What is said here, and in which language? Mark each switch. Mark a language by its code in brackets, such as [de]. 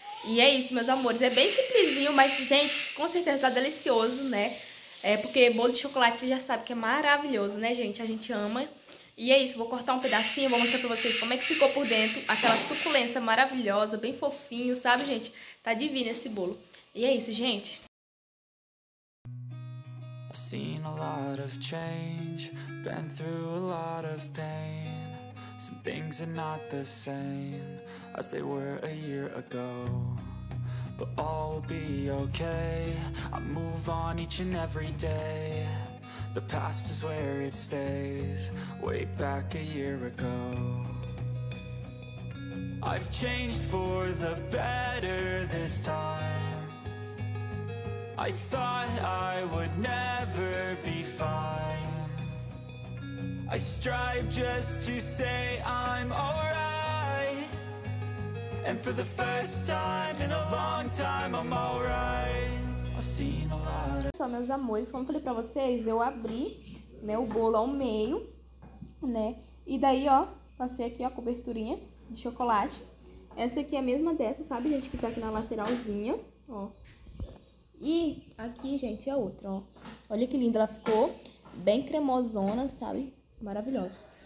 [pt] E é isso, meus amores. É bem simplesinho, mas, gente, com certeza tá delicioso, né? É porque bolo de chocolate, você já sabe que é maravilhoso, né, gente? A gente ama. E é isso, vou cortar um pedacinho, vou mostrar pra vocês como é que ficou por dentro. Aquela suculência maravilhosa, bem fofinho, sabe, gente? Tá divino esse bolo. E é isso, gente. [en] I've seen a lot of change, been through a lot of pain. Some things are not the same as they were a year ago. But all will be okay. I move on each and every day. The past is where it stays, way back a year ago. I've changed for the better this time. I thought I would never be fine. I strive just to say I'm alright. And for the first time in a long time, I'm alright. [pt] Olha só, meus amores, como eu falei pra vocês, eu abri, né, o bolo ao meio, né, e daí, ó, passei aqui a coberturinha de chocolate. Essa aqui é a mesma dessa, sabe, gente, que tá aqui na lateralzinha, ó. E aqui, gente, é outra, ó. Olha que linda ela ficou, bem cremosona, sabe, maravilhosa.